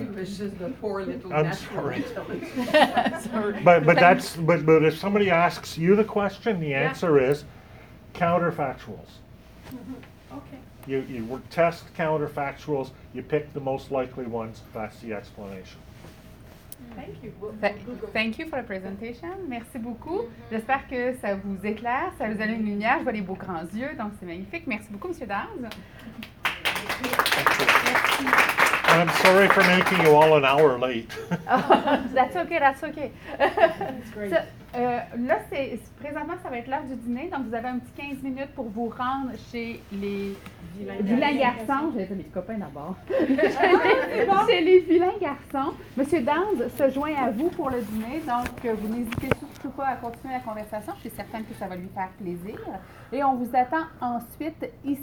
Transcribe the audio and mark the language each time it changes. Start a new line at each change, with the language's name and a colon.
English: It was just the poor little But if somebody asks you the question, the answer is counterfactuals. Okay. You test counterfactuals, you pick the most likely ones, that's the explanation. Thank you for the presentation.
French: Merci beaucoup.
English: Mm-hmm.
French: J'espère que ça vous éclaire, ça vous donne une lumière. Je vois les beaux grands yeux, donc c'est magnifique. Merci beaucoup, Monsieur Downs.
English: And I'm sorry for making you all an hour late. Oh, that's okay. That's great.
French: So, là, c'est présentement, ça va être l'heure du dîner, donc vous avez un petit 15 minutes pour vous rendre chez les vilains garçons. J'ai mes copains d'abord. Chez les vilains garçons. Monsieur Downs se joint à vous pour le dîner, donc vous n'hésitez surtout pas à continuer la conversation. Je suis certaine que ça va lui faire plaisir. Et on vous attend ensuite ici.